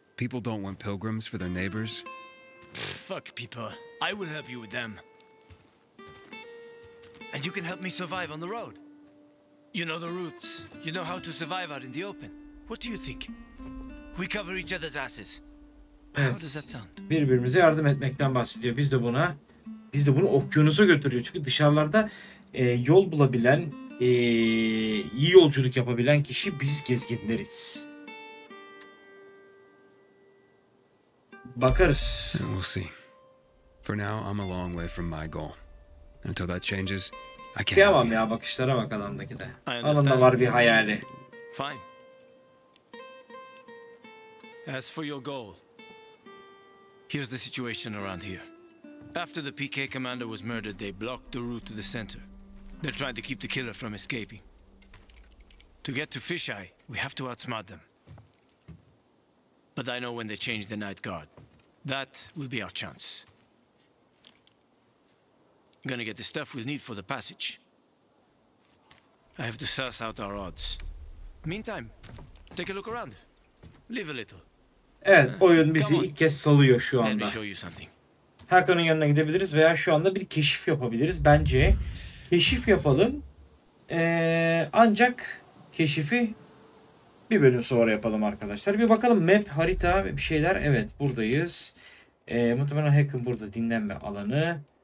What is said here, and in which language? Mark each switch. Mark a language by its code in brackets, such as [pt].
[en] People don't want pilgrims for their neighbors. Fuck people. I will help you with them. And you can help me survive on the road. You know the routes. You know how to survive out in the open. What do you think? We cover each other's asses. [tr] Evet. [en] How does that sound? [tr] Birbirimize yardım etmekten bahsediyor. Biz de bunu okyanusa götürüyor. Çünkü dışarılarda yol bulabilen, iyi yolculuk yapabilen kişi biz gezginleriz. Bakarız. [en] We'll see. For now, I'm a long way from my goal. Until that changes, [tr] Devam ya, bakışlara bak adamdaki de. Onun da var bir hayali. [en] Fine. As for your goal, here's the situation around here. After the PK commander was murdered, they blocked the route to the center. They're trying to keep the killer from escaping. To get to Fisheye, we have to outsmart them. But I know when they change the night guard, that will be our chance. I'm gonna get the stuff we'll need for the passage. I have to suss out our odds. Meantime, take a look around. Live a little. [tr] Evet, oyun bizi ilk kez salıyor şu anda. Hakan'ın yanına gidebiliriz veya şu anda bir keşif yapabiliriz. Bence keşif yapalım. Ancak keşifi bir bölüm sonra yapalım arkadaşlar. Bir bakalım map, harita ve bir şeyler. Evet, buradayız. Muhtemelen Hakan burada, dinlenme alanı.